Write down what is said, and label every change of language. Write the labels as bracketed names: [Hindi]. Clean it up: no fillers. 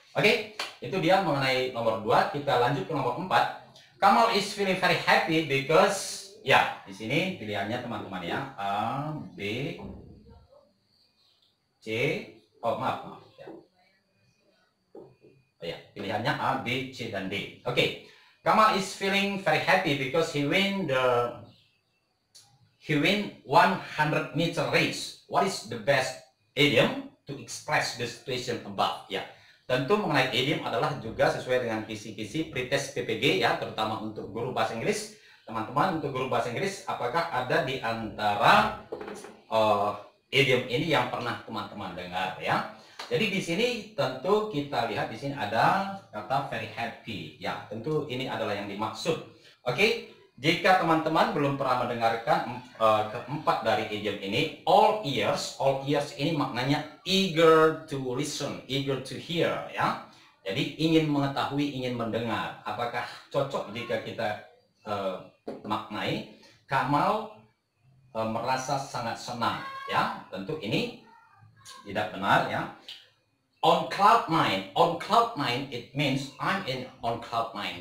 [Indonesian] Oke, itu dia mengenai nomor 2. Kita lanjut ke nomor 4. [English] Kamal is feeling very happy because, [Indonesian] ya, di sini pilihannya teman-teman, ya, A, B, C, oh maaf, maaf, ya. Oh, ya, pilihannya A, B, C, dan D. Oke, okay. [English] Kamal is feeling very happy because he win 100 meter race. What is the best idiom to express the situation above? Ya. [Indonesian] Tentu mengenai idiom adalah juga sesuai dengan kisi-kisi pretest PPG, ya, terutama untuk guru bahasa Inggris. Teman-teman, untuk guru bahasa Inggris, apakah ada di antara idiom ini yang pernah teman-teman dengar, ya? Jadi di sini tentu kita lihat di sini ada kata very happy, ya. Tentu ini adalah yang dimaksud. Oke, jika teman-teman belum pernah mendengarkan keempat dari idiom ini, all ears ini maknanya [English] eager to listen, eager to hear, [Indonesian] ya. Jadi ingin mengetahui, ingin mendengar. Apakah cocok jika kita maknai Kamal merasa sangat senang, ya? Tentu ini tidak benar, ya. [English] On cloud nine, it means I'm in on cloud nine.